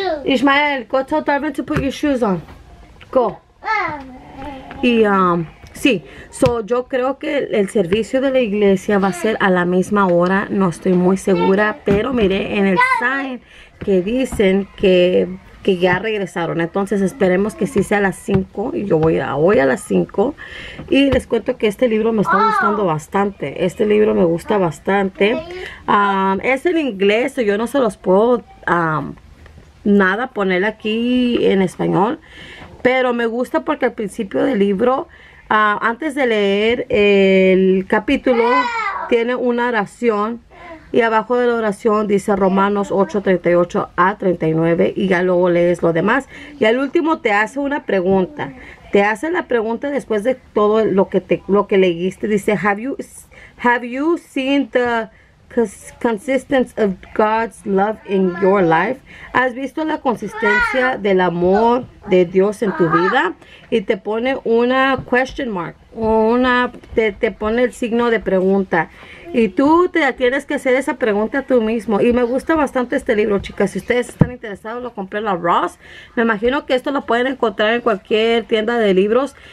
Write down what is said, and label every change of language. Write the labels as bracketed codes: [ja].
[en] Ismael, go tell Darwin to put your shoes on. Go. [es] Y sí, so, yo creo que el servicio de la iglesia va a ser a la misma hora. No estoy muy segura, pero miré en el sign que dicen que ya regresaron. Entonces esperemos que sí sea a las 5. Y yo voy a ir hoy a las 5. Y les cuento que este libro me está gustando bastante. Este libro me gusta bastante. Es en inglés. Yo no se los puedo nada poner aquí en español. Pero me gusta porque al principio del libro, antes de leer el capítulo, tiene una oración. Y abajo de la oración dice Romanos 8:38-39. Y ya luego lees lo demás. Y al último te hace una pregunta. Te hace la pregunta después de todo lo que leíste. [en] Dice, have you seen the consistency of God's love in your life? [es] ¿Has visto la consistencia del amor de Dios en tu vida? Y te pone una [en] question mark. [es] Te pone el signo de pregunta. Y tú te tienes que hacer esa pregunta tú mismo. Y me gusta bastante este libro, chicas. Si ustedes están interesados, lo compré en la Ross. Me imagino que esto lo pueden encontrar en cualquier tienda de libros.